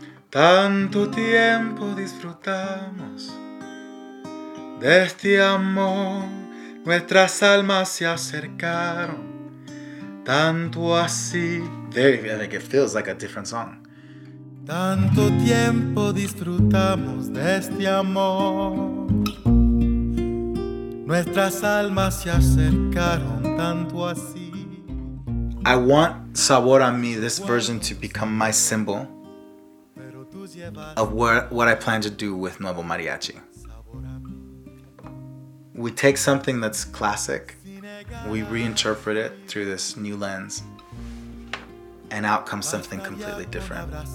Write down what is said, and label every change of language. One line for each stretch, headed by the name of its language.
Spanish: Tanto tiempo disfrutamos de este amor, nuestras almas se acercaron tanto así.
English: I think it feels like a different song.
Spanish: Tanto tiempo disfrutamos de este amor. Nuestras almas se acercaron tanto así.
English: I want Sabor a Mi, this version, to become my symbol of what I plan to do with Nuevo Mariachi. We take something that's classic, we reinterpret it through this new lens, and out comes something completely different.